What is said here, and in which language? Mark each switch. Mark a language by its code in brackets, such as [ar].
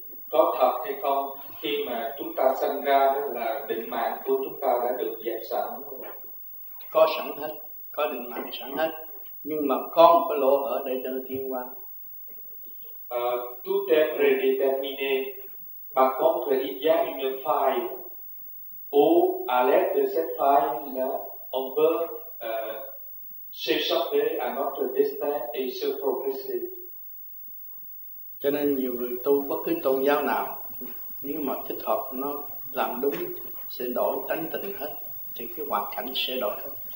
[vi] Có thật hay không, khi mà chúng ta sinh ra là định mạng của chúng ta đã được dẹp sẵn. Có sẵn hết, có định mạng sẵn hết, nhưng mà con có lỗ ở đây cho nó tiến qua. [fr] Tout est prédéterminé. Par contre, il y a une faille où, à l'aide de cette faille-là, on peut s'échapper à notre destin et se progresser. [vi] Cho nên nhiều người tu bất cứ tôn giáo nào, nếu mà thích hợp nó làm đúng, sẽ đổi tánh tình hết, thì cái hoàn cảnh sẽ đổi hết.